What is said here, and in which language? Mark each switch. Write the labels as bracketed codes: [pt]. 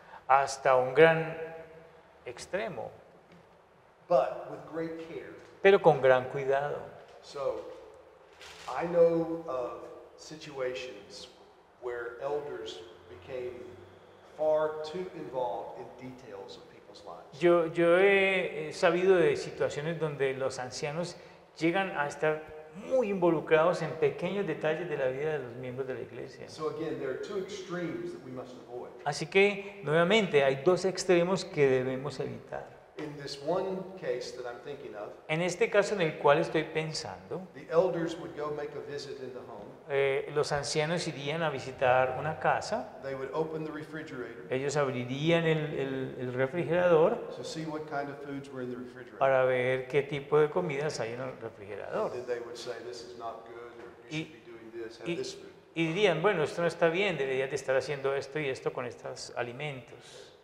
[es] Hasta un gran extremo. [en] But with great care. [es] Pero con gran cuidado. [en] So, I know of situations where elders became far too involved in details of. [es] Yo he sabido de situaciones donde los ancianos llegan a estar muy involucrados en pequeños detalles de la vida de los miembros de la iglesia. [en] So again, there are two extremes that we must avoid. [es] Así que, nuevamente, hay dos extremos que debemos evitar. [en] In this one case that I'm thinking of, [es] en este caso en el cual estoy pensando, [en] the elders would go make a visit in the home. [es] Los ancianos irían a visitar una casa. [en] They would open the refrigerator. [es] Ellos abrirían el refrigerador [en] to see what kind of foods were in the refrigerator. [es] Para ver qué tipo de comidas hay en el refrigerador. [en] And they would say, this is not good, or you should be doing this, have this food. [es] Y dirían, bueno, esto no está bien, deberías de estar haciendo esto y esto con estos alimentos.